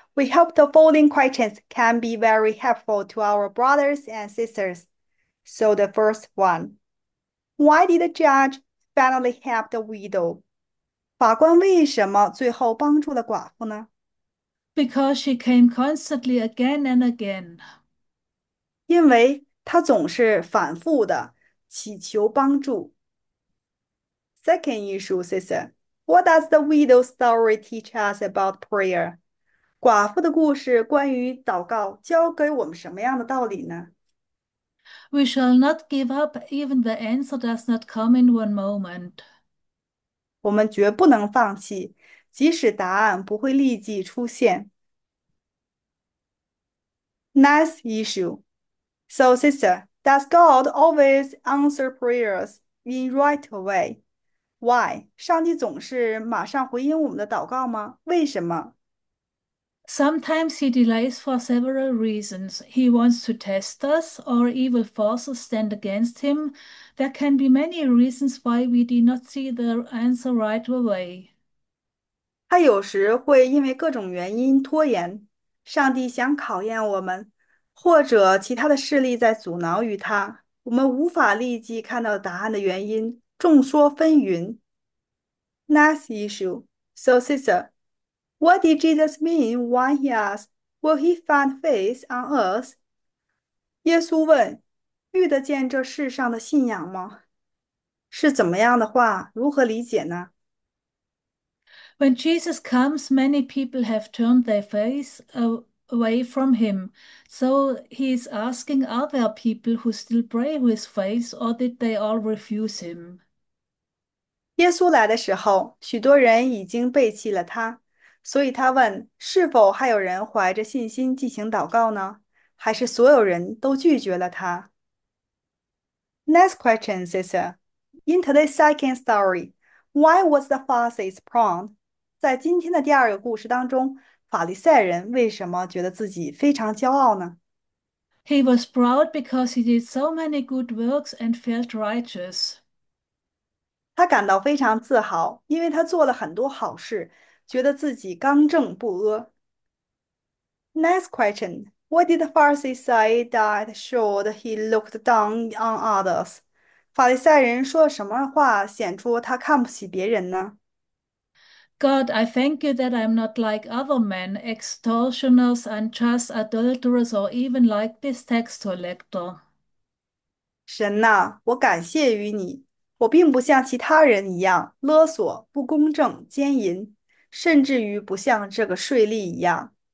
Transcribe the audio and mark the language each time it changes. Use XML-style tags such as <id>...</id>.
<en>We hope the following questions can be very helpful to our brothers and sisters. So the first one, why did the judge finally help the widow.</en> <zh>法官为什么最后帮助了寡妇呢？</zh> <en>Because she came constantly again and again.</en> <zh>因为他总是反复的祈求帮助。</zh> <en>Second issue, sister, what does the widow story teach us about prayer?</en> <zh>寡妇的故事关于祷告教给我们什么样的道理呢？</zh> <en>We shall not give up, even the answer does not come in one moment.</en> <zh>我们绝不能放弃，即使答案不会立即出现。</zh> <en>Next issue. So, sister, does God always answer prayers in right away? Why?</en> <zh>上帝总是马上回应我们的祷告吗？为什么？</zh> <en>Sometimes he delays for several reasons. He wants to test us, or evil forces stand against him. There can be many reasons why we do not see the answer right away.</en> <zh>他有时会因为各种原因拖延，上帝想考验我们，或者其他的势力在阻挠于他，我们无法立即看到答案的原因，众说纷纭。</zh> <en>Next issue. So, sister, what did Jesus mean when he asked, "Will he find faith on earth?"</en> <zh>耶稣问，遇得见这世上的信仰吗？是怎么样的话？如何理解呢？</zh> <en>When Jesus comes, many people have turned their face away from him. So he's asking, are there people who still pray with faith, or did they all refuse him?</en> <zh>耶稣来的时候，许多人已经背弃了他，所以他问：是否还有人怀着信心进行祷告呢？还是所有人都拒绝了他？</zh> <en>Next question, sister. In today's second story, why was the Pharisee's prompt?</en> <zh>在今天的第二个故事当中，法利赛人为什么觉得自己非常骄傲呢？</zh> <en>He was proud because he did so many good works and felt righteous.</en> <zh>他感到非常自豪，因为他做了很多好事，觉得自己刚正不阿。</zh> <en>Next question: What did the Pharisee say that showed he looked down on others?</en> <zh>法利赛人说什么话显出他看不起别人呢？</zh> <en>God, I thank you that I'm not like other men, extortioners, unjust, adulterers, or even like this tax collector.</en> <zh>神呐，我感谢于你。我并不像其他人一样勒索、不公正、奸淫，甚至于不像这个税吏一样。</zh>